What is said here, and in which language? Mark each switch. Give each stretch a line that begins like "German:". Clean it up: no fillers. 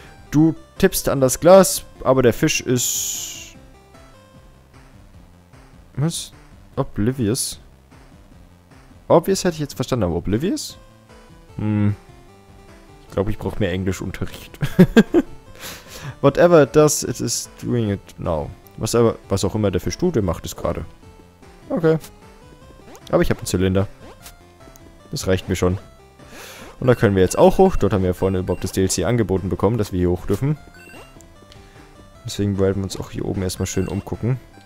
German: Du tippst an das Glas, aber der Fisch ist... Was? Oblivious? Obvious hätte ich jetzt verstanden, aber oblivious? Ich glaube, ich brauche mehr Englischunterricht.
English: Whatever it does, it is doing it now.
German: Was auch immer der Fisch tut, der macht es gerade. Okay. Aber ich habe einen Zylinder. Das reicht mir schon. Und da können wir jetzt auch hoch. Dort haben wir ja vorne überhaupt das DLC angeboten bekommen, dass wir hier hoch dürfen. Deswegen wollen wir uns auch hier oben erstmal schön umgucken.